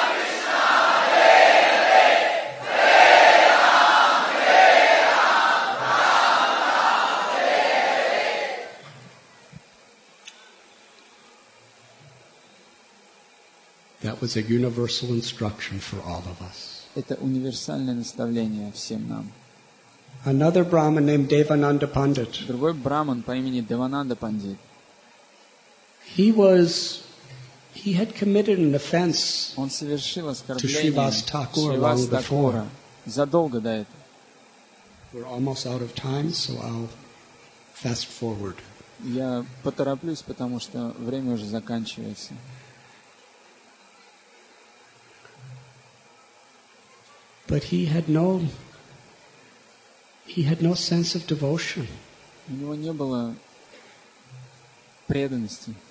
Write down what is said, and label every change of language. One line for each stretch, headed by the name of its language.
English: Krishna, Krishna, Krishna, Krishna. That was a universal instruction for all of us.
Russian: Это универсальное наставление всем нам.
English: Another Brahmin named Devananda Pandit.
Russian: Другой брахман по имени Девананда Пандит.
English: He had committed an offense.
Russian: Он совершил оскорбление.
English: To Shrivas Thakur long before.
Russian: Задолго до этого.
English: We're almost out of time, so I'll fast forward.
Russian: Я потороплюсь, потому что время уже заканчивается.
English: But he had no sense of devotion.
Russian: У него не было преданности.